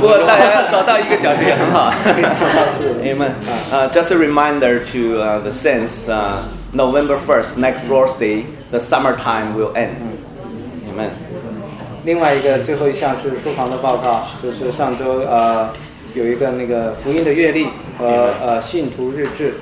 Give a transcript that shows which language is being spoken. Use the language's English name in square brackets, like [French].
[Chinese] 不过大家早到一个小时也很好。 [English] Amen. Just a reminder to the saints. November 1st, next Thursday, the summertime will end. Amen. [Chinese] 另外一个最后一项是书房的报告，就是上周有一个那个福音的阅历和信徒日志。